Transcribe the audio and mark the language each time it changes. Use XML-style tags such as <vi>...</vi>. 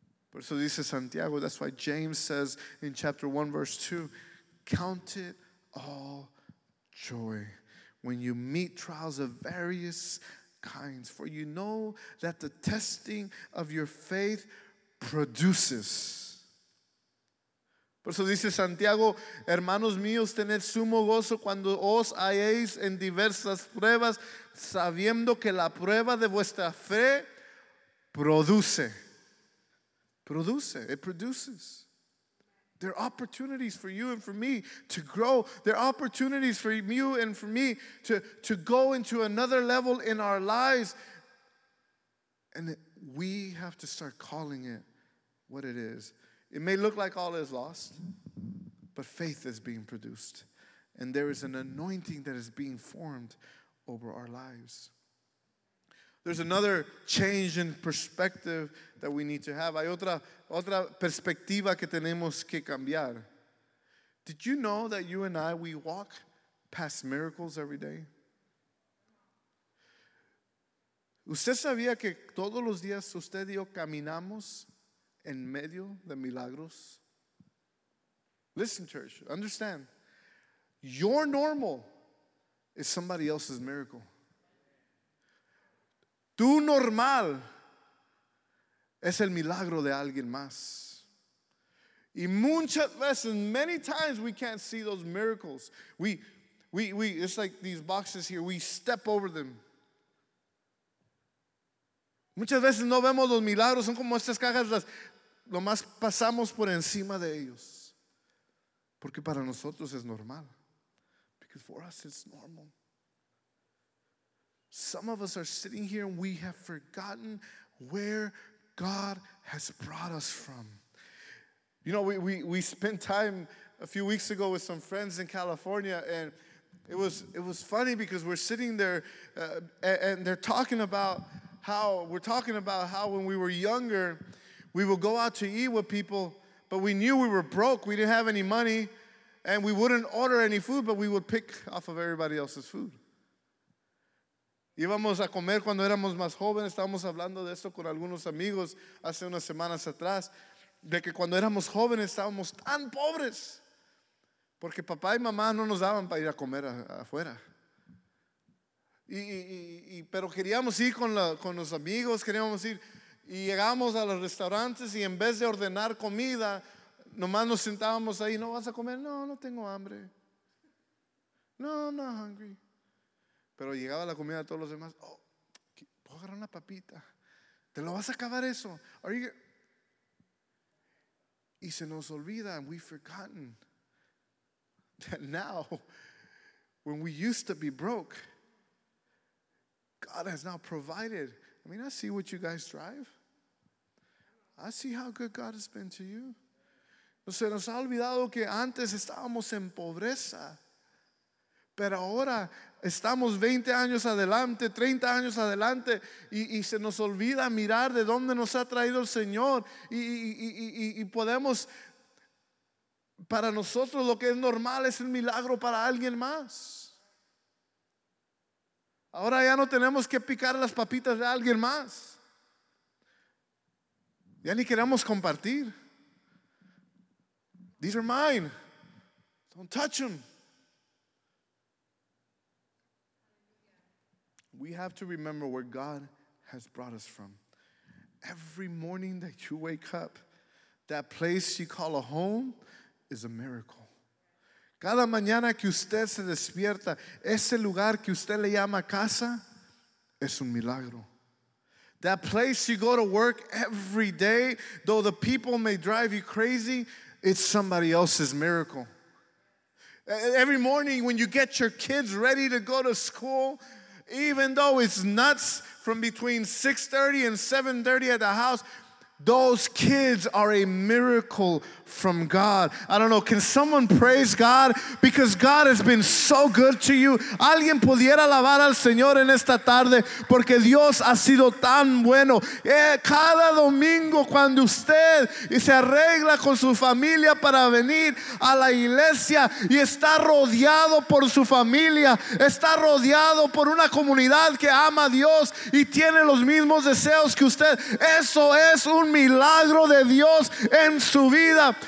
<es>Por eso dice Santiago,</es> <en>that's why James says in chapter 1, verse 2, count it all joy when you meet trials of various kinds. For you know that the testing of your faith produces.</en> <es>Por eso dice Santiago, hermanos míos, tened sumo gozo cuando os halléis en diversas pruebas, sabiendo que la prueba de vuestra fe produce.</es> <en>Produce, it produces. There are opportunities for you and for me to grow. There are opportunities for you and for me to go into another level in our lives. And we have to start calling it what it is. It may look like all is lost, but faith is being produced. And there is an anointing that is being formed over our lives. There's another change in perspective that we need to have.</en> <es>Hay otra perspectiva que tenemos que cambiar.</es> <en>Did you know that you and I, we walk past miracles every day?</en> <es>¿Usted sabía que todos los días usted y yo caminamos en medio de milagros?</es> <en>Listen, church, understand. Your normal is somebody else's miracle.</en> <es>Tu normal es el milagro de alguien más. Y muchas veces,</es> <en>many times we can't see those miracles. We it's like these boxes here, we step over them.</en> <es>Muchas veces no vemos los milagros, son como estas cajas, lo más pasamos por encima de ellos. Porque para nosotros es normal.</es> <en>Because for us it's normal. Some of us are sitting here and we have forgotten where God has brought us from. You know, we spent time a few weeks ago with some friends in California, and it was funny because we're sitting there and they're talking about how when we were younger, we would go out to eat with people, but we knew we were broke. We didn't have any money and we wouldn't order any food, but we would pick off of everybody else's food.</en> <es>Íbamos a comer cuando éramos más jóvenes. Estábamos hablando de esto con algunos amigos hace unas semanas atrás, de que cuando éramos jóvenes estábamos tan pobres porque papá y mamá no nos daban para ir a comer afuera. Pero queríamos ir con los amigos, queríamos ir. Y llegábamos a los restaurantes y en vez de ordenar comida, nomás nos sentábamos ahí. ¿No vas a comer? No, no tengo hambre.</es> <en>No, I'm not hungry.</en> <es>Pero llegaba la comida de todos los demás. Oh, ¿puedo agarrar una papita? ¿Te lo vas a acabar eso? Y se nos olvida,</es> <en>and we've forgotten that now, when we used to be broke, God has now provided. I mean, I see what you guys drive. I see how good God has been to you.</en> <es>Se nos ha olvidado que antes estábamos en pobreza, pero ahora estamos 20 años adelante, 30 años adelante, y se nos olvida mirar de dónde nos ha traído el Señor, y podemos, para nosotros lo que es normal es el milagro para alguien más. Ahora ya no tenemos que picar las papitas de alguien más. Ya ni queremos compartir.</es> <en>These are mine. Don't touch them. We have to remember where God has brought us from. Every morning that you wake up, that place you call a home is a miracle.</en> <es>Cada mañana que usted se despierta, ese lugar que usted le llama casa es un milagro.</es> <en>That place you go to work every day, though the people may drive you crazy, it's somebody else's miracle. Every morning when you get your kids ready to go to school, even though it's nuts from between 6:30 and 7:30 at the house, those kids are a miracle from God. I don't know, can someone praise God? Because God has been so good to you.</en> <es>¿Alguien pudiera alabar al Señor en esta tarde? Porque Dios ha sido tan bueno. Cada domingo cuando usted se arregla con su familia para venir a la iglesia y está rodeado por su familia, está rodeado por una comunidad que ama a Dios y tiene los mismos deseos que usted, eso es un milagro de Dios en su vida.</es>